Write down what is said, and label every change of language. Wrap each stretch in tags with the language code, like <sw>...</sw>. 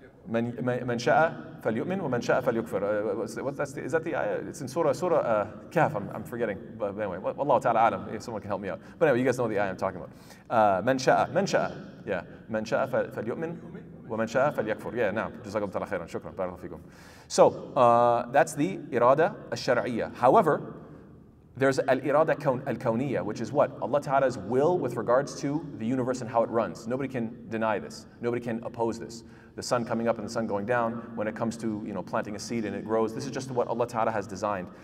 <ar>مَنْ شَاءَ فَلْيُؤْمِنْ وَمَنْ شَاءَ فَلْيُكْفِرْ</ar> <en>Is that the ayah? It's in Surah Kahf, I'm forgetting. But anyway, Allah Ta'ala alam, if someone can help me out. But anyway, you guys know the ayah I'm talking about.</en> <ar>مَنْ شَاءَ</ar> <en>Yeah.</en> <ar>مَنْ شَاءَ فَلْيُؤْمِنْ وَمَنْ شَاءَ فَلْيَكْفُرْ</ar> <en>Yeah, now.</en> <ar>جزاكم الله خيرا. شكرا. بارك الله فيكم.</ar> <en>So, that's the irada الشرعية. However, there's al-irada al-kawniyya, which is what? Allah Ta'ala's will with regards to the universe and how it runs. Nobody can deny this. Nobody can oppose this. The sun coming up and the sun going down, when it comes to, you know, planting a seed and it grows, this is just what Allah Ta'ala has designed.</en>